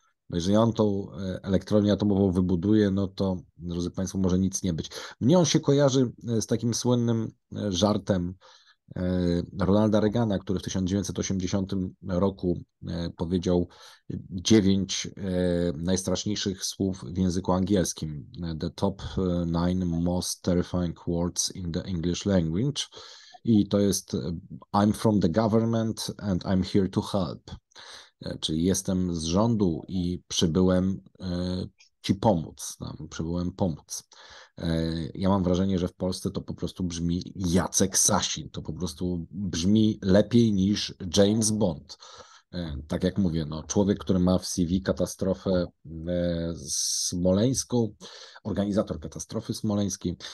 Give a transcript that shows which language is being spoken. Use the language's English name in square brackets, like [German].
[Polish] Bo jeżeli on tą elektrownię atomową wybuduje, no to, drodzy Państwo, może nic nie być. Mnie on się kojarzy z takim słynnym żartem Ronalda Reagana, który w 1980 roku powiedział 9 najstraszniejszych słów w języku angielskim. [English] The top nine most terrifying words in the English language. [Polish] I to jest [English] I'm from the government and I'm here to help. [Polish] Czyli jestem z rządu i przybyłem ci pomóc. Przybyłem pomóc. Ja mam wrażenie, że w Polsce to po prostu brzmi Jacek Sasin. To po prostu brzmi lepiej niż James Bond. Tak jak mówię, no, człowiek, który ma w CV katastrofę smoleńską, organizator katastrofy smoleńskiej.